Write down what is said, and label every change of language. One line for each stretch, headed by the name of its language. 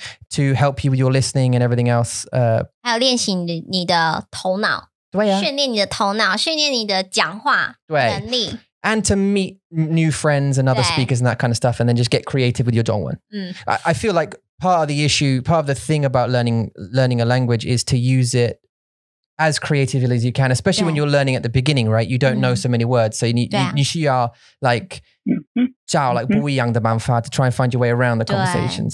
English: To help you with your listening and everything else.
Chinese: 还有练习你的头脑，训练你的讲话能力。
English: And to meet new friends and other speakers and that kind of stuff, and then just get creative with your 中文. I feel like part of the thing about learning a language is to use it as creatively as you can, especially when you're learning at the beginning, right? You don't know so many words, so you need
Chinese: 不一样的办法
English: to try and find your way around the conversation.